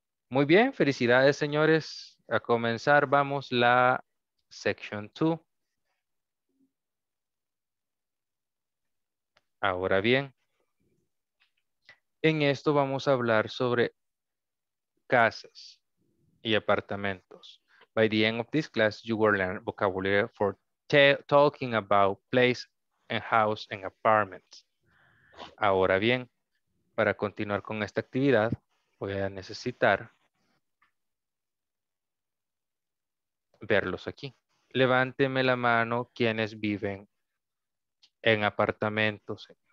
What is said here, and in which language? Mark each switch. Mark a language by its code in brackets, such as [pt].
[es] Muy bien, felicidades, señores. A comenzar, vamos la section 2. Ahora bien, en esto vamos a hablar sobre casas y apartamentos. [en] By the end of this class, you will learn vocabulary for talking about place and house and apartments. [es] Ahora bien, para continuar con esta actividad, voy a necesitar verlos aquí. Levánteme la mano quienes viven en apartamentos.